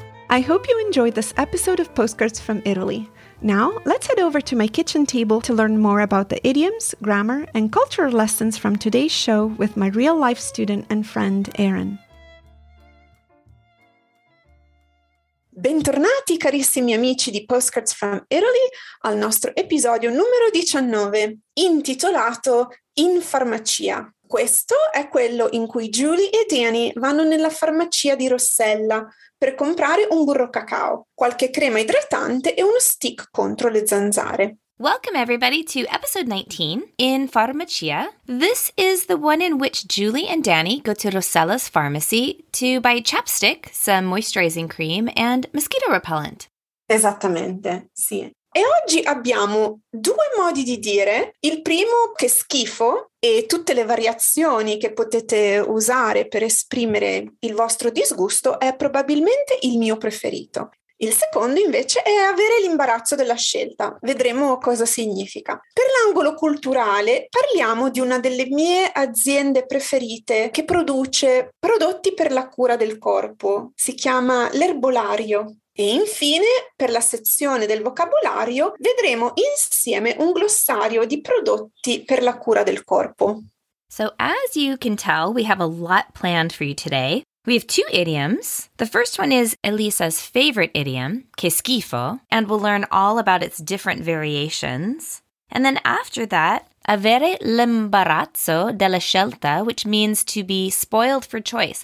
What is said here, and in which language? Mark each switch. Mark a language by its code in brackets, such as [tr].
[en] I hope you enjoyed this episode of Postcards from Italy. Now, let's head over to my kitchen table to learn more about the idioms, grammar, and cultural lessons from today's show with my real-life student and friend, Erin. [it] Bentornati, carissimi amici di Postcards from Italy, al nostro episodio numero 19, intitolato In farmacia. Questo è quello in cui Julie e Danny vanno nella farmacia di Rossella per comprare un burro cacao, qualche crema idratante e uno stick contro le zanzare. [en] Welcome everybody to episode 19, In Farmacia. This is the one in which Julie and Danny go to Rossella's pharmacy to buy chapstick, some moisturizing cream, and mosquito repellent. [it] Esattamente, sì. E oggi abbiamo due modi di dire, il primo che schifo e tutte le variazioni che potete usare per esprimere il vostro disgusto è probabilmente il mio preferito. Il secondo invece è avere l'imbarazzo della scelta, vedremo cosa significa. Per l'angolo culturale parliamo di una delle mie aziende preferite che produce prodotti per la cura del corpo, si chiama L'Erbolario. E infine, per la sezione del vocabolario, vedremo insieme un glossario di prodotti per la cura del corpo. [en] So as you can tell, we have a lot planned for you today. We have two idioms. The first one is Elisa's favorite idiom, che schifo, and we'll learn all about its different variations. And then after that, [it] avere l'imbarazzo della scelta, [en] which means to be spoiled for choice.